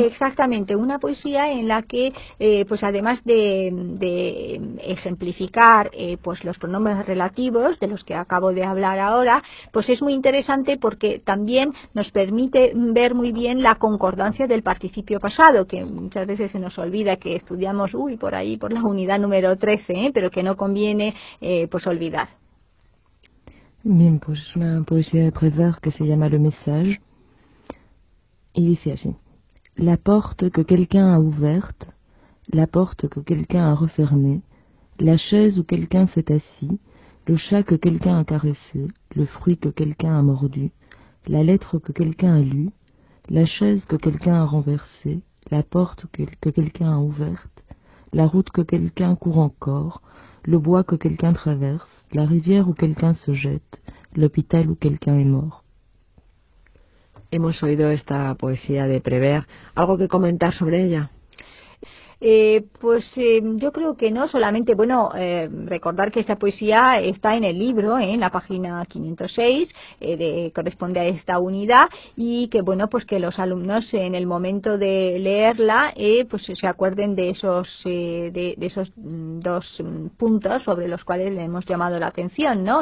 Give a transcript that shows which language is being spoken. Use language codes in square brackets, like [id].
[es] Exactamente, una poesía en la que, pues además de ejemplificar pues los pronombres relativos de los que acabo de hablar ahora, pues es muy interesante porque también nos permite ver muy bien la concordancia del participio pasado, que muchas veces se nos olvida que estudiamos, por ahí, por la unidad número 13, pero que no conviene pues olvidar. Bien, pues es una poesía de Prévert que se llama Le Message. Y dice así: [fr] La porte que quelqu'un a ouverte, la porte que quelqu'un a refermée, la chaise où quelqu'un s'est assis, le chat que quelqu'un a caressé, le fruit que quelqu'un a mordu, la lettre que quelqu'un a lue, la chaise que quelqu'un a renversée, la porte que quelqu'un a ouverte, la route que quelqu'un court encore, le bois que quelqu'un traverse, la rivière où quelqu'un se jette, l'hôpital où quelqu'un est mort. [es] Hemos oído esta poesía de Prévert. ¿Algo que comentar sobre ella? Yo creo que no, solamente, bueno, recordar que esa poesía está en el libro, en la página 506, corresponde a esta unidad, y que, bueno, pues que los alumnos en el momento de leerla, pues se acuerden de esos dos puntos sobre los cuales le hemos llamado la atención, ¿no?